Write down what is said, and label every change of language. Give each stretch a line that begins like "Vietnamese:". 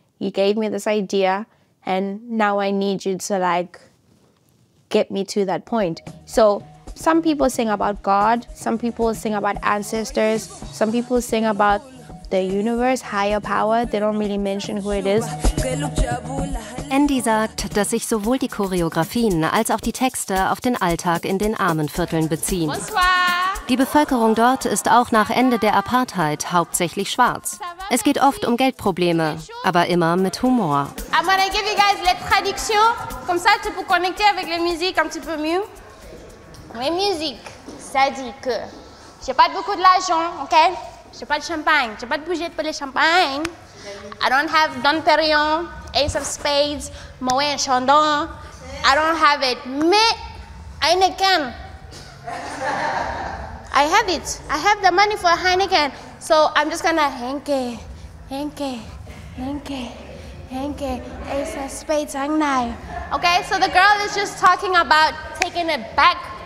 English: You gave me this idea and now I need you to like, get me to that point. So some people sing about God, some people sing about ancestors, some people sing about the universe, higher power. They don't really mention who it is.
German: Andy sagt, dass sich sowohl die Choreografien als auch die Texte auf den Alltag in den Armenvierteln beziehen. Die Bevölkerung dort ist auch nach Ende der Apartheid hauptsächlich schwarz. Es geht oft um Geldprobleme, aber immer mit Humor.
English: I'm gonna give you guys
French: les traductions, comme ça tu peux connecter avec la musique un petit peu mieux. Mais musique, ça dit que j'ai pas beaucoup de l'argent, ok? J'ai pas de champagne, j'ai pas de budget pour le champagne.
English: I don't have Don Perignon, Ace of Spades, Moët & Chandon. I don't have it, mais Heineken. I have it. I have the money for Heineken. So I'm just gonna Henke, Henke, Henke, Henke, Ace of Spades, Hangnai. Okay, so the girl is just talking about taking it back